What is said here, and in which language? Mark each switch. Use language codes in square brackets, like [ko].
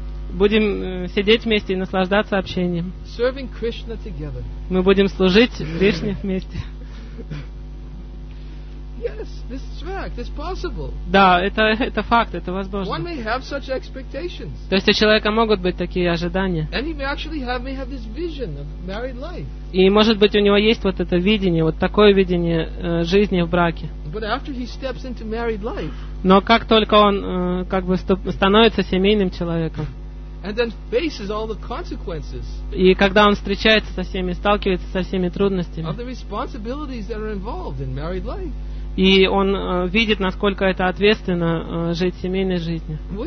[ru] Будем сидеть вместе и наслаждаться общением. [en] Serving Krishna together. [ru] Мы будем служить Кришне вместе. [en] Yes, this is fact. It's possible. [ru] Да, это факт, это возможно. [en] One may have such expectations. [ru] То есть у человека могут быть такие ожидания. [en] And he may actually may have this vision of married life. [ru] И может быть у него есть вот это видение, вот такое видение жизни в браке. [en] But after he steps into married life. [ru] Но как только он как бы становится семейным человеком. [en] And then faces all the consequences. [ru] И когда он встречается со всеми, сталкивается со всеми трудностями. [en] Of the responsibilities that are involved in married life. [ru] И он видит, насколько это ответственно жить семейной жизнью.